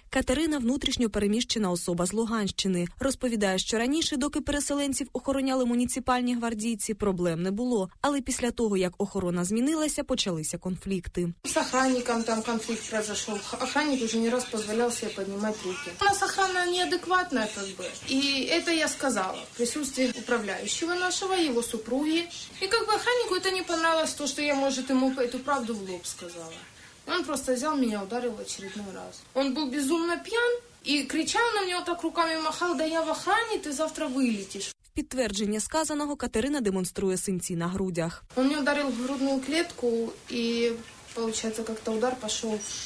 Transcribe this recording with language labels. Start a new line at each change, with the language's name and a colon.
Ukrainian: Катерина – внутрішньопереміщена особа з Луганщини. Розповідає, що раніше, доки переселенців охороняли муніципальні гвардійці, проблем не було. Але після того, як охорона змінилася, почалися конфлікти.
Russian: З охранником там конфлікт произошел. Охранник уже не раз позволявся
Ukrainian: піднімати руки.
Russian: У нас охрана неадекватная, как бы. И это я сказала в присутствии управляющего нашего, его супруги. И как бы охраннику это не понравилось, то, что я, может, ему эту правду в лоб сказала. Он просто взял меня, ударил в очередной раз. Он был безумно пьян и кричал на меня вот так руками, махал, да я в охране, ты завтра вылетишь.
Ukrainian: Підтвердження сказаного Катерина демонструє синці на грудях.
Russian: Он мне ударил в грудную клетку и, получается, как-то удар пошел...